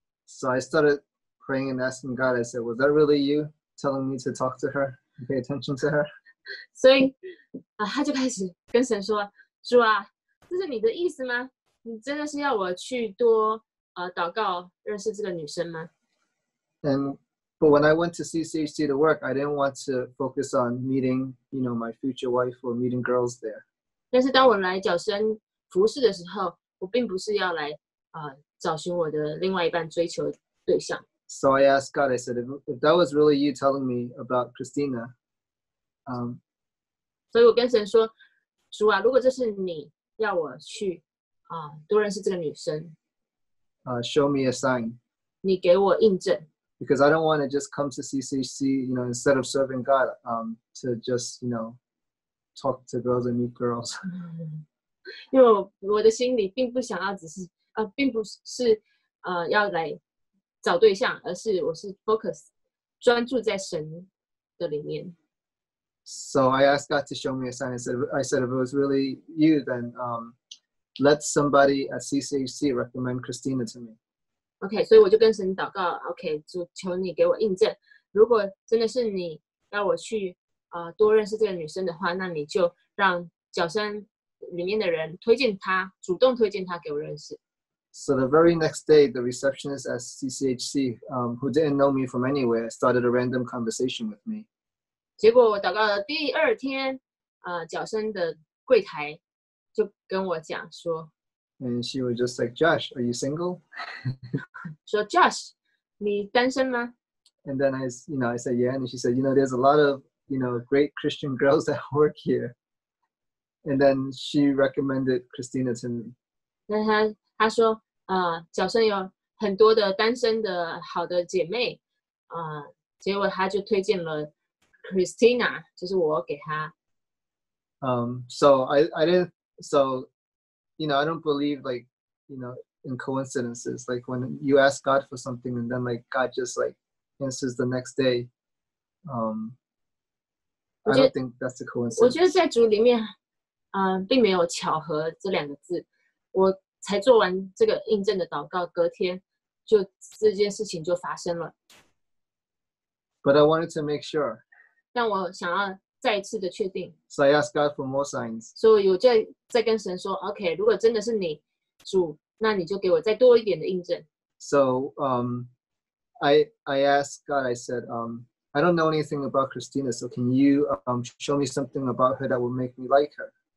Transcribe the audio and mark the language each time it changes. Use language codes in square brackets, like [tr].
[en] So I started praying and asking God. I said, "Was that really you telling me to talk to her, pay attention to her?" [zh] 所以他就开始跟神说：“主啊，这是你的意思吗？你真的是要我去多祷告，认识这个女生吗？” [en] But when I went to CCHC to work, I didn't want to focus on meeting, my future wife or meeting girls there. [zh] 但是当我来角声服事的时候，我并不是要来找寻我的另外一半追求对象。 [en] So I asked God. I said, if that was really you telling me about Christina, [zh] 所以我跟神说，主啊，如果这是你要我去多认识这个女生 [en] ，show me a sign. [zh] 你给我印证。 [en] Because I don't want to just come to CCHC, instead of serving God, to just, talk to girls and meet girls. [zh] 因为我的心里并不想要只是并不是要来找对象，而是我是 focus 专注在神的里面。 [en] So I asked God to show me a sign. I said, if it was really you, then let somebody at CCHC recommend Christina to me. [zh] OK, 所以我就跟神祷告 ,OK, 主求你给我印证。如果真的是你要我去多认识这个女生的话，那你就让角声里面的人推荐她，主动推荐她给我认识。 [en] So the very next day, the receptionist at CCHC, who didn't know me from anywhere, started a random conversation with me. [zh] 结果我祷告了第二天角声的柜台就跟我讲说， [en] And she was just like, Josh, are you single? [zh] So, Josh, 你单身吗？ [en] And then I said, yeah. And she said, there's a lot of, great Christian girls that work here. And then she recommended Christina to me. [zh] 那她说，角声有很多的单身的好的姐妹，结果她就推荐了 Christina, 就是我给他。 [en] So you know, I don't believe like, you know, in coincidences, like when you ask God for something and then like God just like answers the next day. I don't think that's a coincidence. [zh] 我觉得在主里面，并没有巧合这两个字。我才做完这个印证的祷告，隔天就这件事情就发生了。 [en] But I wanted to make sure. [zh] 但我想要再一次的确定。 [en] So I asked God for more signs. [zh] 所以我在跟神说 ，OK， 如果真的是你主，那你就给我再多一点的印证。 [en] So I asked God. I said I don't know anything about Christina, so can you show me something about her that would make me like her?